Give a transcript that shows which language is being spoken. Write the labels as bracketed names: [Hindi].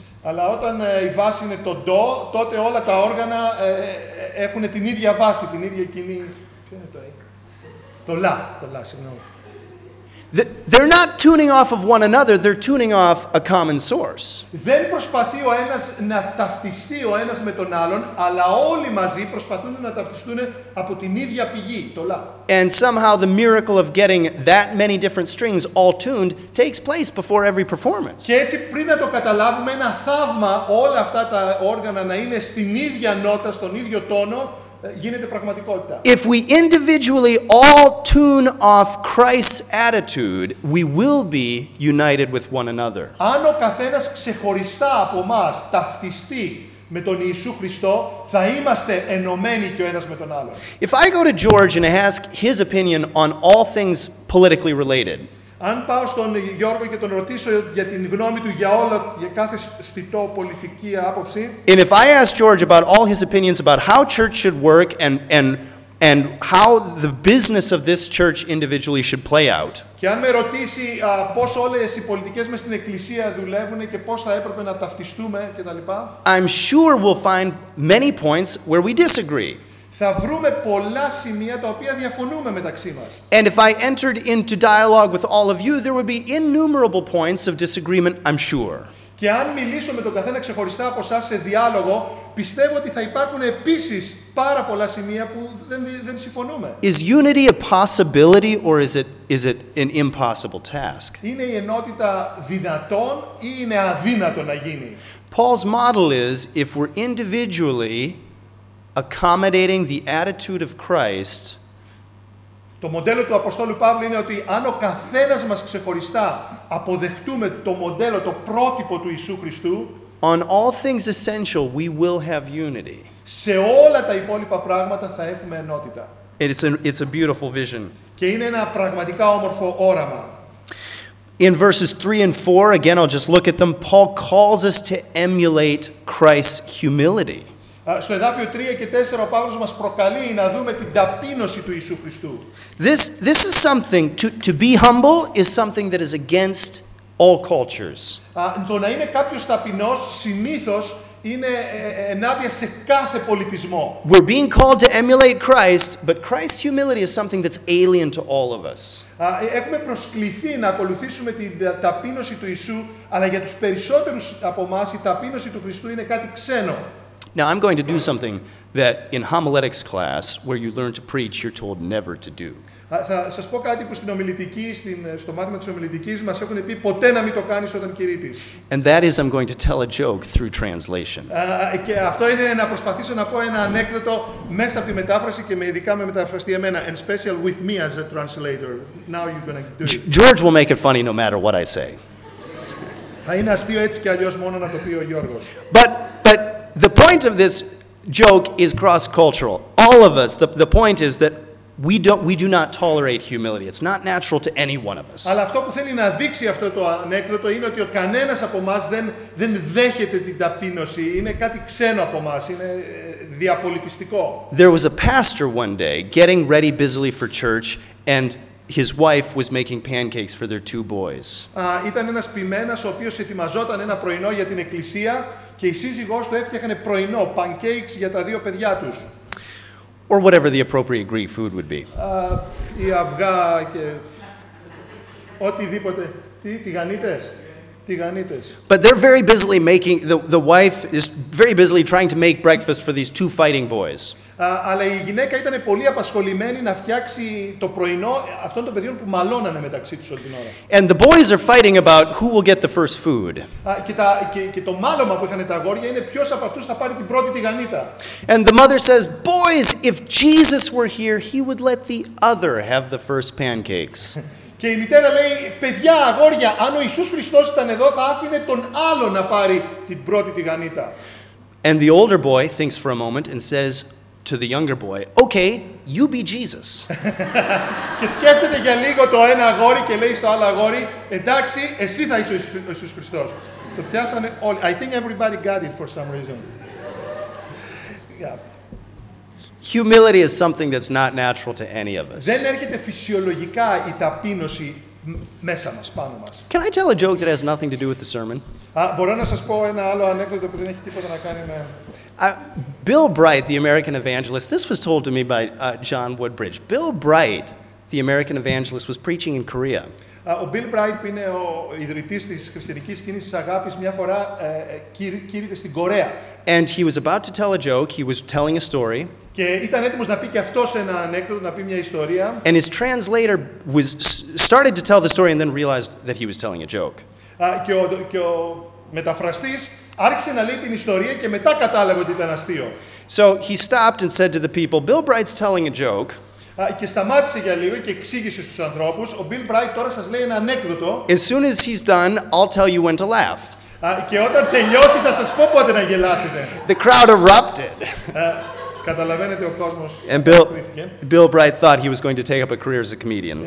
[Greek] Αλλά όταν η βάση είναι το Do, τότε όλα τα όργανα έχουν την ίδια βάση, την ίδια κοινή. Ποιο είναι το A? Το λα, το λα, συγγνώμη. [English] They're not tuning off of one another, they're tuning off a common source. [Greek] Δεν προσπαθεί ο ένας να ταυτιστεί ο ένας με τον άλλον, αλλά όλοι μαζί προσπαθούν να ταυτιστούν από την ίδια πηγή, το λα. [English] And somehow the miracle of getting that many different strings all tuned takes place before every performance. [Greek] Και έτσι πριν να το καταλάβουμε ένα θαύμα όλα αυτά τα όργανα να είναι στην ίδια νότα, στον ίδιο τόνο, γίνεται πραγματικότητα. [English] If we individually all tune off Christ's attitude, we will be united with one another. [Greek] Αν ο καθένας ξεχωριστά από μας ταυτιστεί με τον Ιησού Χριστό, θα είμαστε ενωμένοι και ο ένας με τον άλλον. [English] If I go to George and ask his opinion on all things politically related. [Greek] Αν πάω στον Γιώργο και τον ρωτήσω για την γνώμη του για όλα, για κάθε στιτό πολιτική άποψη. [English] And if I ask George about all his opinions about how church should work and how the business of this church individually should play out. [Greek] Και αν με ρωτήσει πώς όλες οι πολιτικές μες στην εκκλησία δουλεύουν και πώς θα έπρεπε να ταυτιστούμε κτλ. [English] I'm sure we'll find many points where we disagree. [Greek] Θα βρούμε πολλά σημεία τα οποία διαφωνούμε μεταξύ μας. [English] And if I entered into dialogue with all of you, there would be innumerable points of disagreement, I'm sure. [Greek] Και αν μιλήσω με τον καθένα ξεχωριστά από εσάς σε διάλογο, πιστεύω ότι θα υπάρχουν επίσης πάρα πολλά σημεία που δεν συμφωνούμε. [English] Is unity a possibility or is it an impossible task? [Greek] Είναι η ενότητα δυνατόν ή είναι αδύνατο να γίνει? [English] Paul's model is if we're individually accommodating the attitude of Christ. [Greek] Το μοντέλο του Αποστόλου Παύλου είναι ότι αν ο καθένας μας ξεχωριστά αποδεχτούμε το μοντέλο, το πρότυπο του Ιησού Χριστού, [English] on all things essential we will have unity. [Greek] Σε όλα τα υπόλοιπα πράγματα θα έχουμε ενότητα. [English] It's a beautiful vision. [Greek] Και είναι ένα πραγματικά όμορφο όραμα. [English] In verses 3 and 4, again I'll just look at them, Paul calls us to emulate Christ's humility. [Greek] Στο εδάφιο 3 και 4 ο Παύλος μας προκαλεί να δούμε την ταπείνωση του Ιησού Χριστού. [English] This is something to be humble is something that is against all cultures. [Greek] Το να είναι κάποιος ταπεινός συνήθως είναι ενάντια σε κάθε πολιτισμό. [English] We're being called to emulate Christ, but Christ's humility is something that's alien to all of us. [Greek] Έχουμε προσκληθεί να ακολουθήσουμε την ταπείνωση του Ιησού, αλλά για τους περισσότερους από εμάς η ταπείνωση του Χριστού είναι κάτι ξένο. [English] Now I'm going to do something that in homiletics class where you learn to preach you're told never to do. [Greek] Θα σας πω κάτι που στην ομιλητική, στο μάθημα της ομιλητικής μας έχουν πει ποτέ να μην το κάνεις όταν κηρύττεις. [English] And that is I'm going to tell a joke through translation. [Greek] Και αυτό είναι να προσπαθήσω να πω ένα ανέκδοτο μέσα από τη μετάφραση και ειδικά με μεταφραστή εμένα, [English] and special with me as a translator. Now you're going to do it. George will make it funny no matter what I say. [Greek] Θα είναι αστείο έτσι και αλλιώς μόνο να το πει ο Γιώργος. [English] But the point of this joke is cross-cultural. All of us, the point is that we do not tolerate humility. It's not natural to any one of us. [Greek] Αλλά αυτό που θέλει να δείξει αυτό το ανέκδοτο είναι ότι ο κανένας από μας δεν δέχεται την ταπείνωση. Είναι κάτι ξένο από μας. Είναι διαπολιτιστικό. [English] There was a pastor one day getting ready busily for church and his wife was making pancakes for their two boys. [Greek] Ήταν ένας ποιμένας ο οποίος ετοιμαζόταν ένα πρωινό για την εκκλησία. Και η σύζυγός του έφτιαχνε πρωινό, pancakes για τα δύο παιδιά τους. [English] Or whatever the appropriate Greek food would be. [Greek] Η αυγά και οτιδήποτε. Τι, τηγανίτες. Τηγανίτες. [English] But they're very busily making, the wife is very busily trying to make breakfast for these two fighting boys. [Greek] Αλλά η γυναίκα ήταν πολύ απασχολημένη να φτιάξει το πρωινό αυτών των παιδιών που μαλώνανε μεταξύ τους όλη την ώρα. [English] And the boys are fighting about who will get the first food. [Greek] Και το μάλωμα που είχαν τα αγόρια είναι ποιος από αυτούς θα πάρει την πρώτη τηγανίτα. [English] And the mother says, boys, if Jesus were here, he would let the other have the first pancakes. [Greek] Και η μητέρα λέει, παιδιά, αγόρια, αν ο Ιησούς Χριστός ήταν εδώ, θα άφηνε τον άλλο να πάρει την πρώτη τηγανίτα. [English] And the older boy thinks for a moment and says to the younger boy, okay, you be Jesus. [Greek] Και σκέφτεται για λίγο το ένα αγόρι και λέει στο άλλο αγόρι, εντάξει, εσύ θα είσαι ο Ιησούς Χριστός. Το πιάσανε όλοι. [English] I think everybody got it for some reason. Humility is something that's not natural to any of us. [Greek] Δεν έρχεται φυσιολογικά η ταπείνωση μέσα μας, πάνω μας. [English] Can I tell a joke that has nothing to do with the sermon? [Greek] Μπορώ να σας πω ένα άλλο ανέκδοτο που δεν έχει τίποτα να κάνει με... [English] Bill Bright, the American evangelist, this was told to me by John Woodbridge. Bill Bright, the American evangelist was preaching in Korea. [Greek] Ο Bill Bright, που είναι ο ιδρυτής της χριστιανικής κίνησης αγάπης, μια φορά κήρυξε στην Κορέα. [English] And he was about to tell a joke. He was telling a story. [Greek] Και ήταν έτοιμος να πει και αυτός ένα ανέκδοτο, να πει μια ιστορία. [English] And his translator was started to tell the story and then realized that he was telling a joke. [Greek] Και ο μεταφραστής άρχισε να λέει την ιστορία και μετά κατάλαβε ότι ήταν αστείο. [English] So he stopped and said to the people, Bill Bright's telling a joke. [Greek] Και σταμάτησε για λίγο και εξήγησε στους ανθρώπους, ο Bill Bright τώρα σας λέει ένα ανέκδοτο. [English] As soon as he's done, I'll tell you when to laugh. [Greek] Και όταν τελειώσει θα σας πω πότε να γελάσετε. [English] The crowd erupted. [Greek] Καταλαβαίνετε ο κόσμος. [English] And Bill Bright thought he was going to take up a career as a comedian.